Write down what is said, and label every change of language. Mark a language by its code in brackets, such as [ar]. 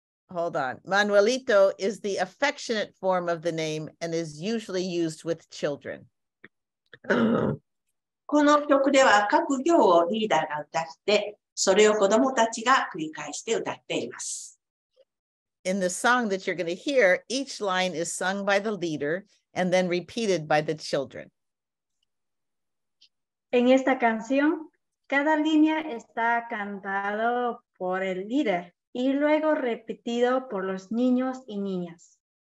[en] Hold on. Manuelito is the affectionate form of the name and is usually used with children. [ja] この曲では各行をリーダーが歌って、それを子供たちが繰り返して歌っています。 [en] In the song that you're going to hear, each line is sung by the leader and then repeated by the children. [es] En esta canción, cada línea está cantado por el líder. Y luego repetido por los niños y niñas.